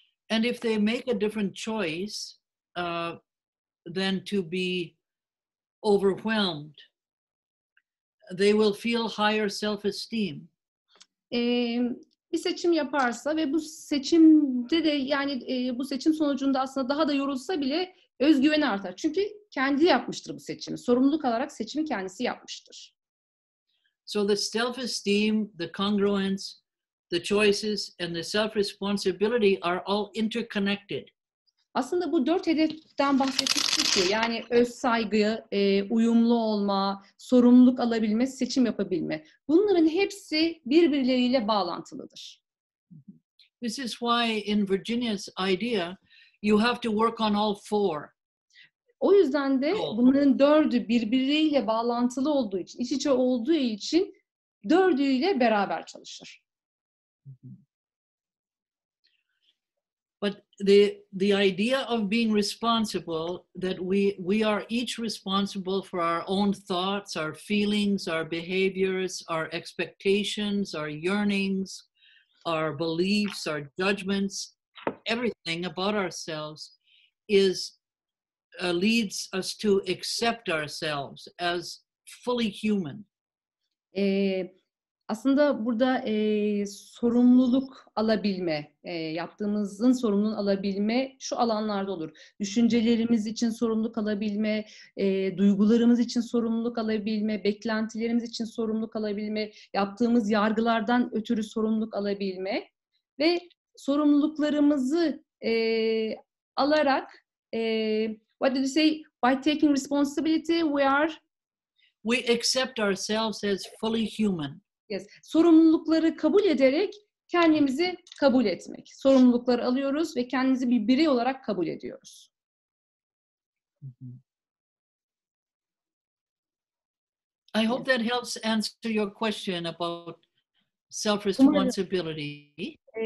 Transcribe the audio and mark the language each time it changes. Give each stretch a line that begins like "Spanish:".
English: And if they make a different choice, then to be overwhelmed, they will feel higher self-esteem.
Turkish: Bir seçim yaparsa ve bu seçimde de yani bu seçim sonucunda aslında daha da yorulsa bile özgüveni artar. Çünkü kendi yapmıştır bu seçimi. Sorumluluk alarak seçimi kendisi yapmıştır.
English: So the self-esteem, the congruence, the choices, and the self-responsibility are all interconnected.
Turkish: Aslında bu dört hedeften bahsetmiştik ki, yani öz saygı, uyumlu olma, sorumluluk alabilme, seçim yapabilme. Bunların hepsi birbirleriyle bağlantılıdır.
English: This is why in Virginia's idea, you have to work on all four.
Turkish: O yüzden de bunların dördü birbiriyle bağlantılı olduğu için, iç içe olduğu için dördüyle beraber çalışır.
English: But the idea of being responsible, that we are each responsible for our own thoughts, our feelings, our behaviors, our expectations, our yearnings, our beliefs, our judgments, everything about ourselves is leads us to accept ourselves as fully human.
Turkish: Aslında burada sorumluluk alabilme, yaptığımızın sorumluluğunu alabilme şu alanlarda olur. Düşüncelerimiz için sorumluluk alabilme, duygularımız için sorumluluk alabilme, beklentilerimiz için sorumluluk alabilme, yaptığımız yargılardan ötürü sorumluluk alabilme ve sorumluluklarımızı alarak
English: what did you say? By taking responsibility, we accept ourselves as fully human.
Turkish: Yes. Sorumlulukları kabul ederek kendimizi kabul etmek. Sorumlulukları alıyoruz ve kendimizi bir birey olarak kabul ediyoruz.
English: I hope that helps answer your question about self-responsibility.